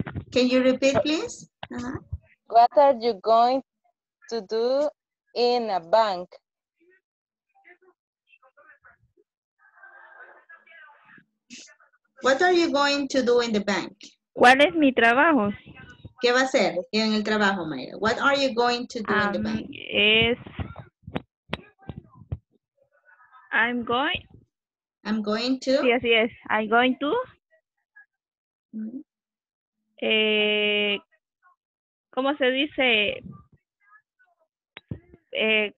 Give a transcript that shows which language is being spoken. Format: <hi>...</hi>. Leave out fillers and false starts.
<en>Can you repeat, please? Uh-huh. What are you going to do in a bank? What are you going to do in the bank?</en> <es>¿Cuál es mi trabajo? ¿Qué va a hacer en el trabajo, Mayra?</es> <en>What are you going to do in the bank? I'm going to? Yes, yes. I'm going to?</en> <es>Mm-hmm. ¿Cómo se dice?</es>